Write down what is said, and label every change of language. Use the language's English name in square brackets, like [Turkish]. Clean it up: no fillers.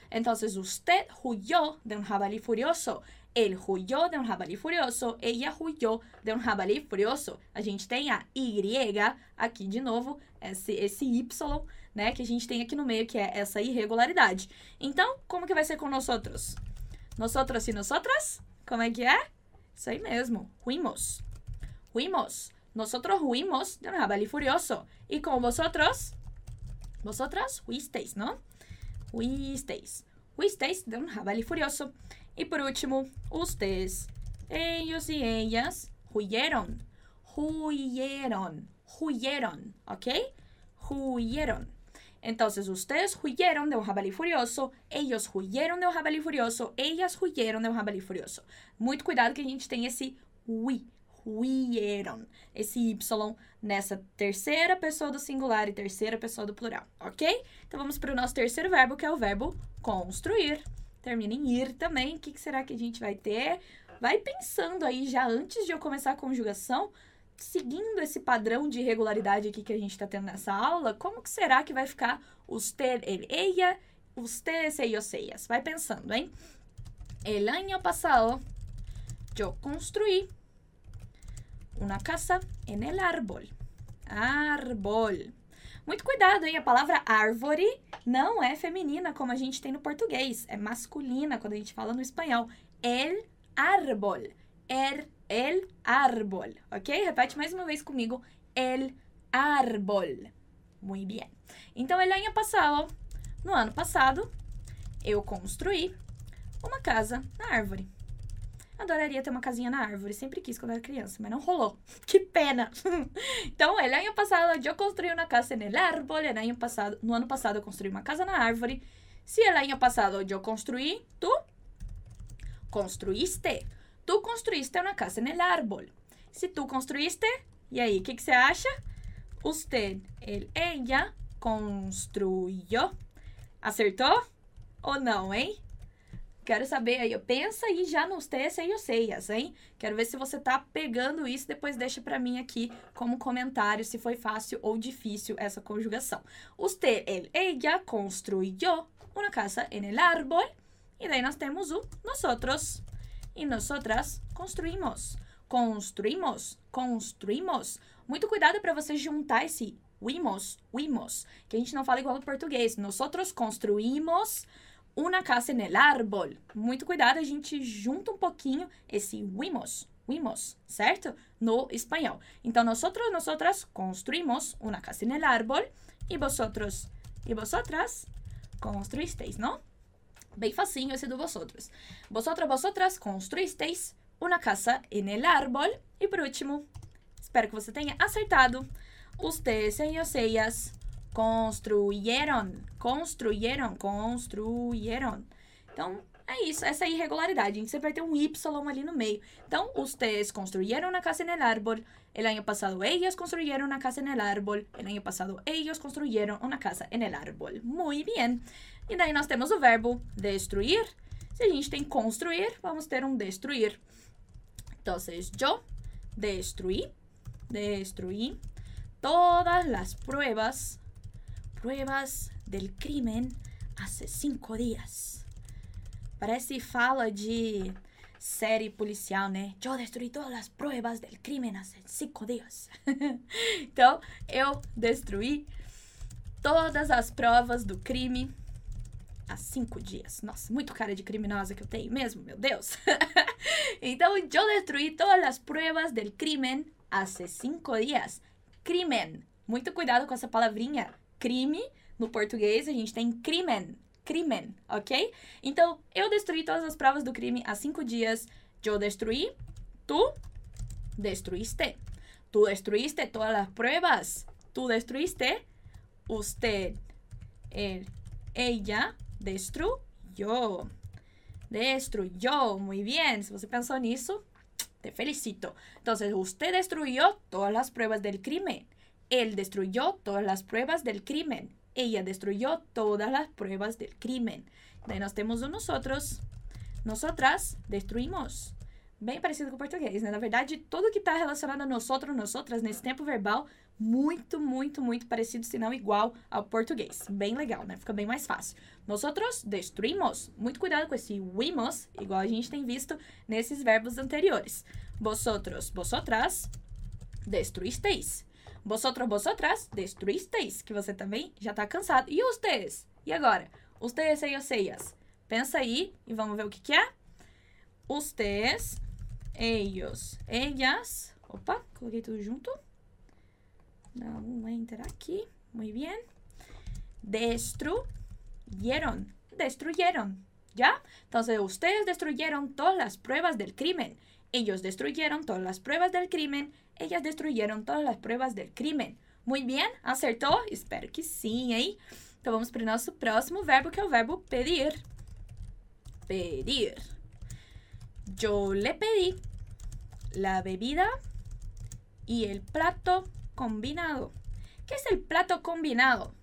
[Spanish] Entonces, usted huyó de un jabalí furioso. Él huyó de un jabalí furioso. Ella huyó de un jabalí furioso. [Portuguese] A gente tem a Y aqui de novo. Esse Y, né? Que a gente tem aqui no meio, que é essa irregularidade. Então, como que vai ser com nós outros? Nós outros e nós outras? Como é que é? Isso aí mesmo. Huimos. Huimos. [Spanish] Nosotros huimos de un jabalí furioso. Y con vosotros, vosotras huisteis, ¿no? Huisteis. Huisteis de un jabalí furioso. Y por último, ustedes, ellos y ellas, huyeron. Huyeron. Huyeron, ¿ok? Huyeron. Entonces, ustedes huyeron de un jabalí furioso. Ellos huyeron de un jabalí furioso. Ellas huyeron de un jabalí furioso. Mucho cuidado que [Portuguese] a gente [Spanish] tenga ese huy. [Portuguese] Huyeron, esse Y nessa terceira pessoa do singular e terceira pessoa do plural, ok? Então vamos para o nosso terceiro verbo, que é o verbo construir. Termina em ir também. O que será que a gente vai ter? Vai pensando aí já antes de eu começar a conjugação, seguindo esse padrão de irregularidade aqui que a gente está tendo nessa aula, como que será que vai ficar usted, ele, ella, ustedes, ellos, ellas? Vai pensando, hein? [Spanish] El año pasado, yo construí una casa en el árbol. Árbol. [Portuguese] Muito cuidado, hein? A palavra árvore não é feminina, como a gente tem no português. É masculina, quando a gente fala no espanhol. El árbol. [Spanish] El árbol. [Portuguese] Ok? Repete mais uma vez comigo. [Spanish] El árbol. Muy bien. [Portuguese] Então, [Spanish] el año pasado. [Portuguese] No ano passado, eu construí uma casa na árvore. Adoraria ter uma casinha na árvore, sempre quis quando era criança, mas não rolou. Que pena! Então, [Spanish] el año pasado yo construí una casa en el árbol, el año pasado, [Portuguese] no ano passado eu construí uma casa na árvore. [Spanish] Si el año pasado yo construí, tú construiste. Tú construiste una casa en el árbol. Si tú construiste, [Portuguese] e aí, o que você acha? [Spanish] Usted, él, ella, construyó. [Portuguese] Acertou ou não, hein? Quero saber aí, pensa aí já nos tes e os eias, hein? Quero ver se você tá pegando isso, depois deixa pra mim aqui como comentário se foi fácil ou difícil essa conjugação. [Spanish] Usted, él, ella construyó una casa en el árbol. [Portuguese] E daí nós temos o nosotros. E nosotras construímos. Construímos, construímos. Muito cuidado pra você juntar esse huimos, huimos. Que a gente não fala igual no português. [Spanish] Nosotros construímos una casa en el árbol. [Portuguese] Muito cuidado, a gente junta um pouquinho esse huimos, huimos, certo? No espanhol. Então, [Spanish] nosotros, nosotras construímos una casa en el árbol y vosotras construísteis, ¿no? [Portuguese] Bem facinho esse do vosotros. [Spanish] Vosotros, vosotras construísteis una casa en el árbol. [Portuguese] E por último, espero que você tenha acertado. [Spanish] Ustedes, ellos, ellas construyeron, construyeron, construyeron. [Portuguese] Então, é isso, essa irregularidade. A gente sempre vai ter um Y ali no meio. [Spanish] Então, ustedes construyeron una casa en el árbol. El año pasado, ellos construyeron una casa en el árbol. El año pasado, ellos construyeron una casa en el árbol. Muy bien. [Portuguese] E daí nós temos o verbo destruir. Se a gente tem construir, vamos ter um destruir. Então, [Spanish] yo destruí, destruí todas las pruebas. Pruebas del crimen hace 5 días. [Portuguese] Parece fala de série policial, né? [Spanish] Yo destruí todas las pruebas del crimen hace 5 días. [Portuguese] Então, eu destruí todas as provas do crime há 5 dias. Nossa, muito cara de criminosa que eu tenho mesmo, meu Deus. [Spanish] Então, yo destruí todas las pruebas del crimen hace 5 días. Crimen. [Portuguese] Muito cuidado com essa palavrinha. Crime, no português, a gente tem crimen, crimen, ok? Então, eu destruí todas as provas do crime há 5 dias. [Spanish] Yo destruí, tú destruiste. Tú destruiste todas las pruebas. Tú destruiste, usted, él, ella, destruyó. Destruyó, muy bien. [Portuguese] Si você pensou nisso, [Spanish] te felicito. Entonces, usted destruyó todas las pruebas del crimen. Él destruyó todas las pruebas del crimen. Ella destruyó todas las pruebas del crimen. De ahí nos tenemos nosotros. Nosotras destruímos. [Portuguese] Bem parecido com o português, né? Na verdade, tudo que está relacionado a nosotros, nosotras, nesse tempo verbal, muito, muito, muito parecido, se não igual ao português. Bem legal, né? Fica bem mais fácil. Nosotros destruímos. Muito cuidado com esse vimos, igual a gente tem visto nesses verbos anteriores. [Spanish] Vosotros, vosotras, destruísteis. Vosotros, vosotras, destruísteis. [Portuguese] Que você também já está cansado. E ustedes? E agora? Ustedes, ellos, ellas. Pensa aí e vamos ver o que, que é. [Spanish] Ustedes, ellos, ellas. [Portuguese] Opa, coloquei tudo junto. Dá um enter aqui. [Spanish] Muy bien. Destruyeron. Destruyeron. ¿Ya? Entonces, ustedes destruyeron todas las pruebas del crimen. Ellos destruyeron todas las pruebas del crimen. Ellas destruyeron todas las pruebas del crimen. Muy bien. ¿Acertó? Espero que sí, ¿eh? [Portuguese] Então, vamos para o nosso próximo verbo, que é o verbo pedir. [Spanish] Pedir. Yo le pedí la bebida y el plato combinado. ¿Qué es el plato combinado?